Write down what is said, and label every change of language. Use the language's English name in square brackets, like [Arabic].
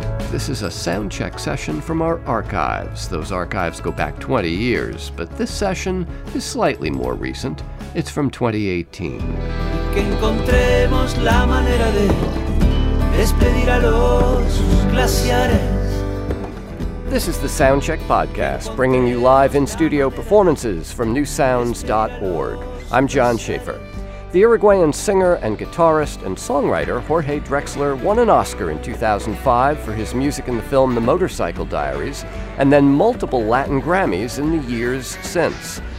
[English] This is a soundcheck session from our archives. Those archives go back 20 years, but this session is slightly more recent. It's from 2018. [Spanish] Que encontremos la manera de despedir a los glaciares. [English] This is the Soundcheck Podcast, bringing you live in-studio performances from newsounds.org. I'm John Schaefer. The Uruguayan singer and guitarist and songwriter Jorge Drexler won an Oscar in 2005 for his music in the film The Motorcycle Diaries, and then multiple Latin Grammys in the years since.